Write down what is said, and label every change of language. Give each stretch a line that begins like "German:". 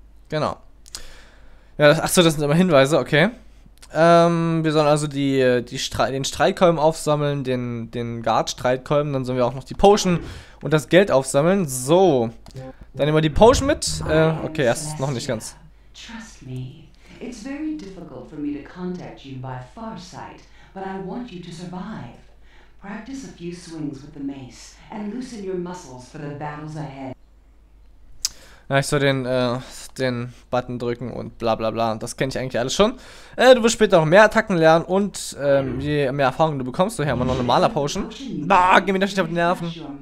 German: Genau. Ja, achso, das sind immer Hinweise, okay. Wir sollen also den Streitkolben aufsammeln, den Guard-Streitkolben, dann sollen wir auch noch die Potion und das Geld aufsammeln. So. Dann nehmen wir die Potion mit. Okay, erst noch nicht ganz.
English: Trust me. It's very difficult for me to contact you by Farsight. But I want you to survive. Practice a few swings with the mace and loosen your muscles for the battles ahead.
German: Na, ich soll den Button drücken und bla bla bla. Das kenne ich eigentlich alles schon. Du wirst später noch mehr Attacken lernen und je mehr Erfahrung du bekommst, daher haben wir noch eine Mana-Potion. Bah, geh mir das nicht auf die Nerven.